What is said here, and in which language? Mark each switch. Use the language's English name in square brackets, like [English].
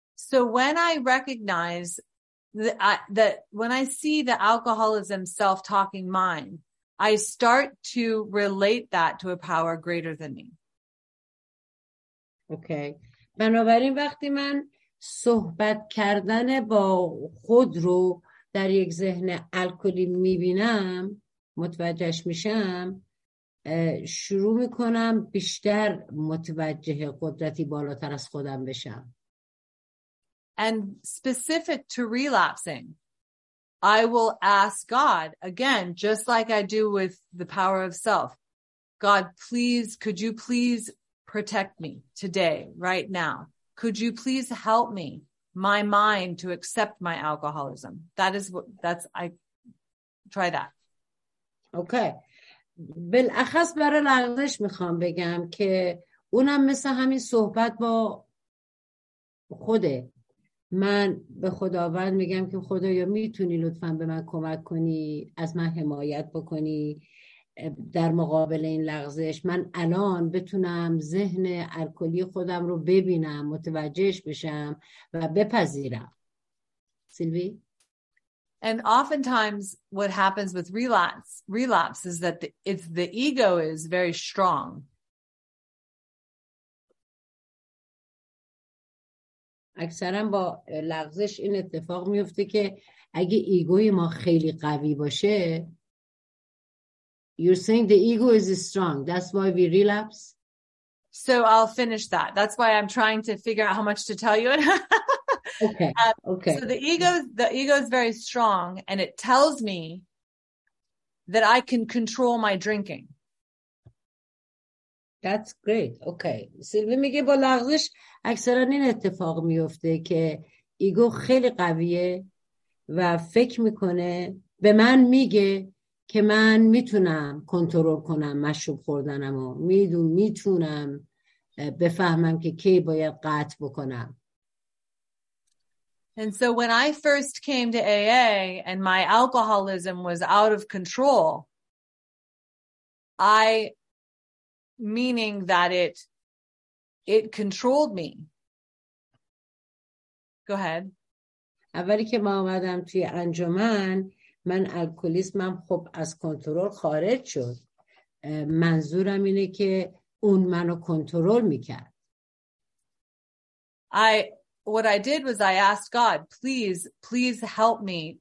[English] So when I recognize that when I see the alcoholism self-talking mind, I start to relate that to a power greater than me. Okay. [Persian] بنابراین وقتی من صحبت کردن با خود رو در یک ذهن الکلی میبینم، متوجهش میشم، شروع میکنم بیشتر متوجه قدرتی بالاتر از خودم بشم. [English] And specific to relapsing, I will ask God again, just like I do with the power of self. God, please, could you please protect me today, right now? Could you please help me, my mind, to accept my alcoholism? I try that. Okay. [Persian] بالاخص برای لغزش میخوام بگم که اونم مثل همین صحبت با خوده. من به خداوند میگم که خدایا میتونی لطفاً به من کمک کنی، از من حمایت بکنی در مقابل این لغزش، من الان بتونم ذهن الکلی خودم رو ببینم، متوجهش بشم و بپذیرم. سیلوی؟ [English] And oftentimes what happens with relapse is that the ego is very strong. [Persian] اکثرا با لغزش این اتفاق میفته که اگه ایگوی ما خیلی قوی باشه. [English] You're saying the ego is strong, that's why we relapse. So I'll finish that. That's why I'm trying to figure out how much to tell you. Okay. So the ego is very strong and it tells me that I can control my drinking. That's great. Okay. [Persian] سیلوی میگه با لغزش اکثرا این اتفاق میفته که ایگو خیلی قویه و فکر میکنه به من میگه که من میتونم کنترل کنم مشروب خوردنم و میتونم بفهمم که کی باید قطع بکنم. [English] And so when I first came to AA and my alcoholism was out of control, meaning that it controlled me. Go ahead. [Persian] اولی که ما اومدم توی انجمن، من الکلیسمم خب از کنترل خارج شد. منظورم اینه که اون منو کنترل میکرد. [English] What I did was I asked God, please help me.